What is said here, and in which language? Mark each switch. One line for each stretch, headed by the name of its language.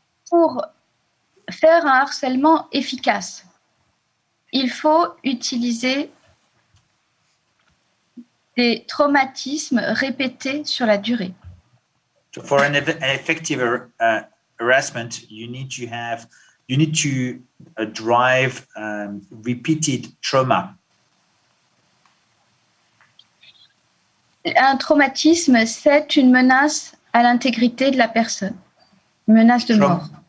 French: Pour faire un harcèlement efficace, il faut utiliser des traumatismes répétés sur la durée.
English: So for an effective harassment, you need to drive repeated trauma.
French: Un traumatisme, c'est une menace à l'intégrité de la personne, une menace de mort.